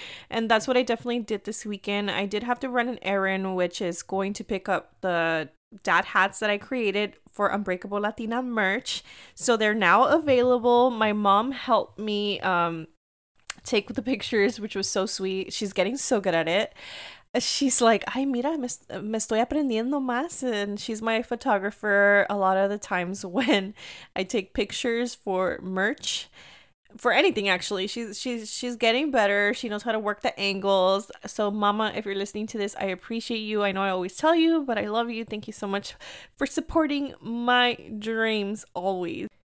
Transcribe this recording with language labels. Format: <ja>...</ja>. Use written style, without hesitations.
<en>And that's what I definitely did this weekend. I did have to run an errand, which is going to pick up the dad hats that I created for Unbreakable Latina merch. So they're now available. My mom helped me take the pictures, which was so sweet. She's getting so good at it. She's like,</en> <es>ay, mira, me estoy aprendiendo más.</es> <en>And she's my photographer a lot of the times when I take pictures for merch. For anything, actually. She's getting better. She knows how to work the angles. So, mama, if you're listening to this, I appreciate you. I know I always tell you, but I love you. Thank you so much for supporting my dreams always.</en>